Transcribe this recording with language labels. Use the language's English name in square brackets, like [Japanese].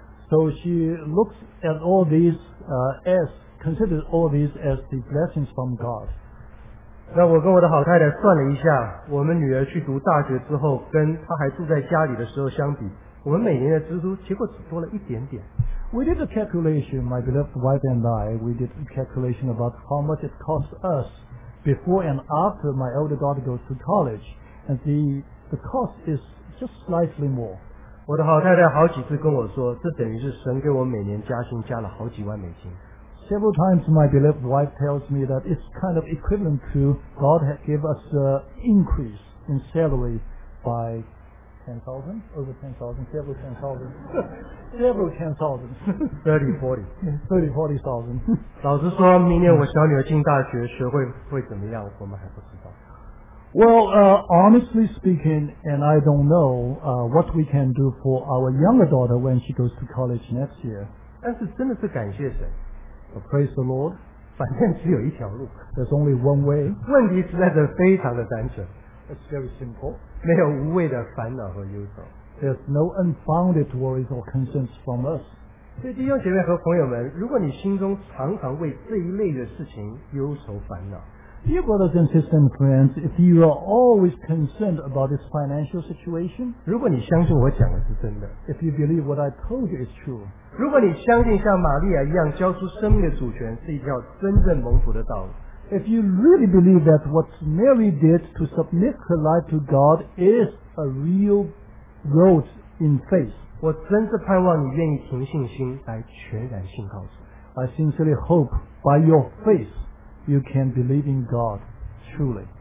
[English] So she looks at all these as considers all these as the blessings from God. [Chinese] 那我跟我的好太太算了一下，我们女儿去读大学之后，跟她还住在家里的时候相比，我们每年的支出结果只多了一点点。 [English] We did a calculation, my beloved wife and I. We did a calculation about how much it costs us before and after my elder daughter goes to college, and the cost is just slightly more. [Chinese] 我的好太太好几次跟我说，这等于是神给我每年加薪加了好几万美金。 [English] Several times my beloved wife tells me that it's kind of equivalent to God had give us an increase in salary by 10,000, over 10,000, several 10,000, several 10,000, 30,000. [Chinese] 老实说，明年我小女儿进大学学会怎么样，我们还不知道。 [English] Well, honestly speaking, and I don't know what we can do for our younger daughter when she goes to college next year. [Chinese] 但是真的是感谢神。 [English] But praise the Lord. [Chinese] 反正只有一条路。 [English] There's only one way. [Chinese] 问题实在是非常的单纯。 [English] It's very simple. [Chinese] 没有无谓的烦恼和忧愁。 [English] There's no unfounded worries or concerns from us. [Chinese] 所以弟兄姐妹和朋友们，如果你心中常常为这一类的事情忧愁烦恼， [English] Dear brothers and sisters and friends, if you are always concerned about this financial situation, [Chinese] 如果你相信我讲的是真的， [English] if you believe what I told you is true, [Chinese] 如果你相信像玛利亚一样交出生命的主权是一条真正蒙福的道路， [English] if you really believe that what Mary did to submit her life to God is a real road in faith, [Chinese] 我真是盼望你愿意凭信心来全然信靠主。 [English] I sincerely hope by your faithYou can believe in God truly.